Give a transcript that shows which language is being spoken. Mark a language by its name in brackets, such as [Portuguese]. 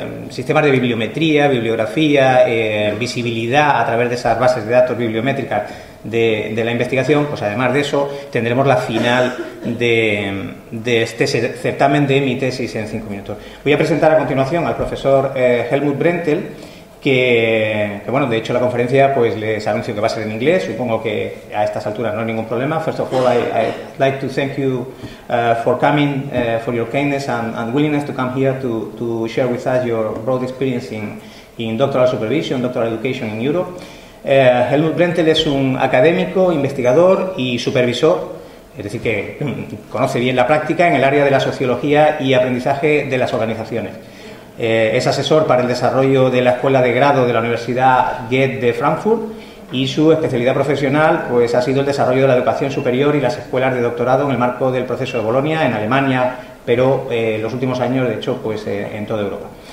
[Spanish] sistemas de bibliometría, bibliografía, visibilidad a través de esas bases de datos bibliométricas de la investigación, pues además de eso tendremos la final de este certamen de mi tesis en cinco minutos. Voy a presentar a continuación al profesor Helmut Brentel, que de hecho la conferencia pues les anuncio que va a ser en inglés, supongo que a estas alturas no hay ningún problema. [English] First of all, I'd like to thank you for coming, for your kindness and willingness to come here to share with us your broad experience in doctoral supervision, doctoral education in Europe. [Spanish] Helmut Brentel es un académico, investigador y supervisor, es decir, que conoce bien la práctica en el área de la sociología y aprendizaje de las organizaciones. Es asesor para el desarrollo de la escuela de grado de la Universidad Goethe de Frankfurt, y su especialidad profesional pues ha sido el desarrollo de la educación superior y las escuelas de doctorado en el marco del proceso de Bolonia en Alemania, pero en los últimos años, de hecho, pues en toda Europa.